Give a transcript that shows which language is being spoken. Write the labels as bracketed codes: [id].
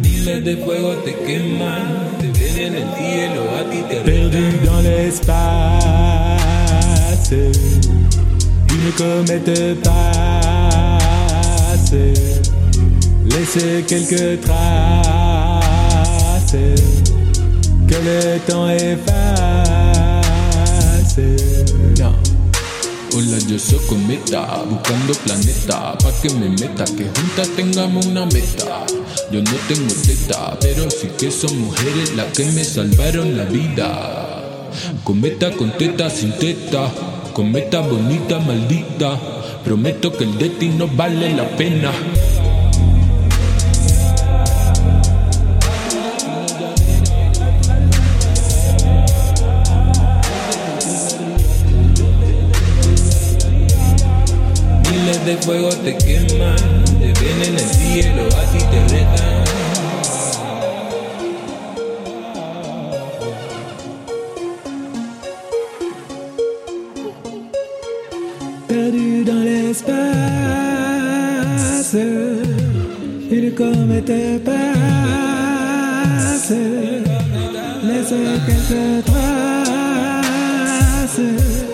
[es] De fuego te queman, te ven en el cielo, a ti te [fr] perdu dans l'espace, une comète passe, laisse quelques traces, que le temps efface. Non. [es] Hola, yo soy cometa, buscando planeta, pa' que me meta, que juntas tengamos una meta. Yo no tengo teta, pero sí que son mujeres las que me salvaron la vida. Cometa con teta, sin teta, cometa bonita, maldita, prometo que el destino vale la pena. De fuego te queman, te ven en el cielo, a ti te retan. [fr] Perdu dans l'espace, il comete passe, laisse quelques traces.